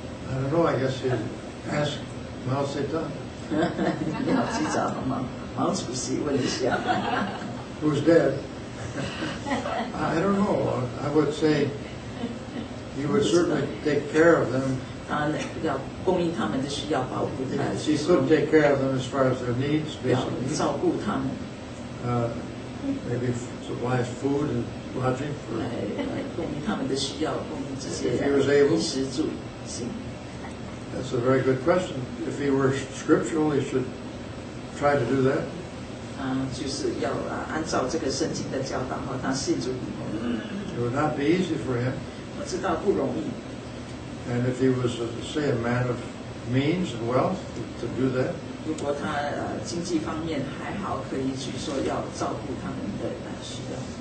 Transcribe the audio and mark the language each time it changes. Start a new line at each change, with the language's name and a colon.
English: I don't know. I guess he'd ask Mao Zedong. Mao Zedong, huh? Mao Zedong, what is he? Who's dead? I don't know. I would say he would certainly take care of them.
Chinese: 要供应他们的需要，保护他们。
English: He could take care of them as far as their needs, basically.
Chinese: 要照顾他们。
English: Maybe supply food and. Lodging for if he was able. That's a very good question. If he were scriptural, he should try to do that.
Chinese: 就是要按照这个圣经的教导，他信主以后。
English: It would not be easy for him.
Chinese: 我知道不容易。
English: And if he was, say, a man of means and wealth to do that.
Chinese: 如果他经济方面还好，可以去说要照顾他们的需要。